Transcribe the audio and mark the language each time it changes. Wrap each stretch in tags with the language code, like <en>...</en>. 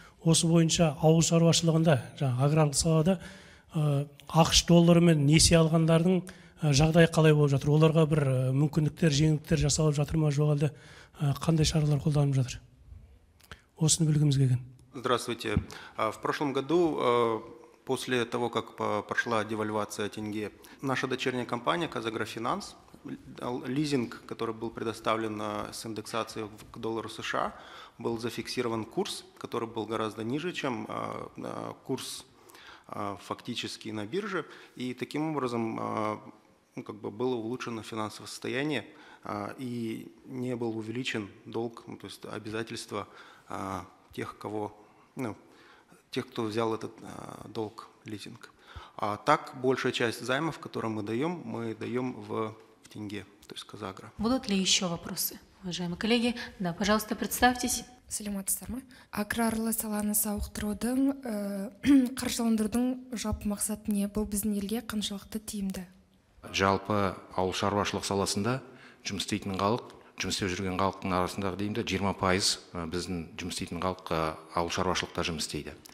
<kk>Осы бойынша ауыл шаруашылығында, аграрлық салада ақш долларымен несие алғандардың жағдайы қалай болып жатыр? Оларға бір мүмкіндіктер, жеңілдіктер жасалып жатыр ма, жоқ әлде қандай шаралар қолданып жатыр? Осыны білгіміз келген.</kk> <ru>Здравствуйте. В прошлом году после того, как прошла девальвация тенге, наша дочерняя компания «Казагрофинанс», лизинг, который был предоставлен с индексацией к доллару США, был зафиксирован курс, который был гораздо ниже, чем курс фактически на бирже, и таким образом как бы было улучшено финансовое состояние и не был увеличен долг, ну, то есть обязательства тех, кого, ну, тех, кто взял этот долг лизинг. А так большая часть займов, которые мы даем в тенге, то есть казагра. Будут ли еще вопросы, уважаемые коллеги? Да, пожалуйста, представьтесь.</ru> <kk>Саламатсыздарма. Аграрлы саланы сауықтырудың, қаржыландырудың жалпы мақсаты не? Бұл біздің елге қаншалықты тиімді? Жалпы ауыл шаруашылық саласында жұмыс істейтін халық, жұмыс істеп жүрген халықтың арасындағы деймін де 20% біздің жұмыс істейтін халық ауыл шаруашылықта жұмыс істейді.</kk>